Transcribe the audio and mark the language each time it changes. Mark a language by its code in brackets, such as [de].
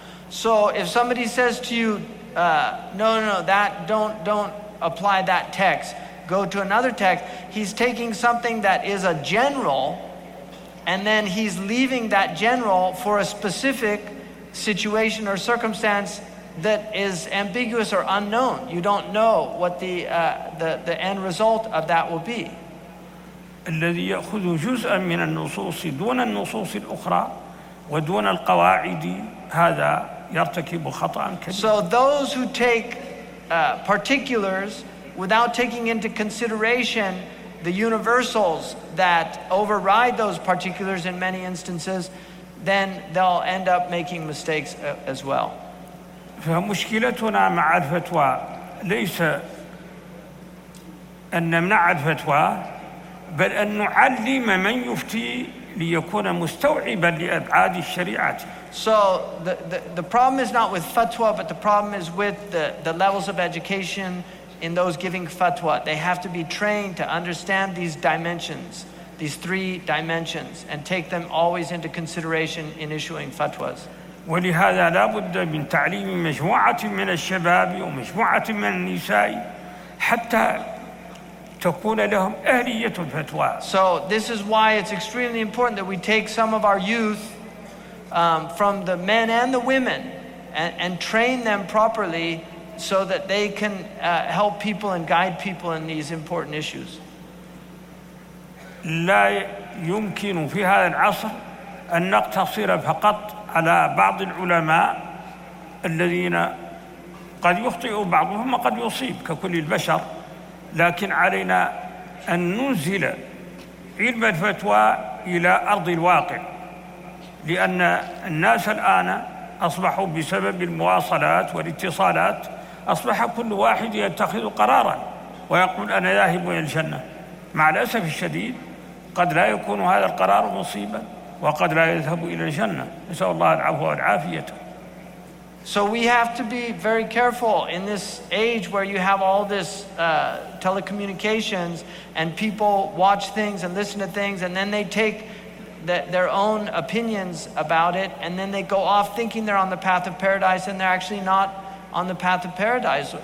[en] So if somebody says to you, don't apply that text, go to another text, he's taking something that is a general and then he's leaving that general for a specific situation or circumstance that is ambiguous or unknown. You don't know what the end result of that will be. [ar] الذي يأخذ جزءا من النصوص دون النصوص الأخرى ودون القواعد هذا يرتكب خطأ كبيرا. [en] So those who take particulars without taking into consideration the universals that override those particulars in many instances, then they'll end up making mistakes as well. [ar] فمشكلتنا مع الفتوى ليس أن نمنع الفتوى بل أن نعلم من يفتي ليكون مستوعبا لأبعاد الشريعة. [en] So the problem is not with fatwa, but the problem is with the levels of education in those giving fatwa. They have to be trained to understand these dimensions, these three dimensions, and take them always into consideration in issuing fatwas. [ar] ولهذا لا بد من تعليم مجموعة من الشباب ومجموعة من النساء حتى تكون لهم أهلية الفتوى. [en] So this is why it's extremely important that we take some of our youth from the men and the women and train them properly so that they can help people and guide people in these important issues. [ar] لا يمكن في هذا العصر أن نقتصر فقط على بعض العلماء الذين قد يخطئ بعضهم وقد يصيب ككل البشر. لكن علينا أن ننزل علم الفتوى إلى أرض الواقع لأن الناس الآن أصبحوا بسبب المواصلات والاتصالات أصبح كل واحد يتخذ قرارا ويقول أنا ذاهب إلى الجنة. مع الأسف الشديد قد لا يكون هذا القرار مصيبا وقد لا يذهب إلى الجنة. نسأل الله العفو والعافية. [en] So we have to be very careful in this age where you have all this telecommunications and people watch things and listen to things and then they take their own opinions about it and then they go off thinking they're on the path of paradise and they're actually not on the path of paradise.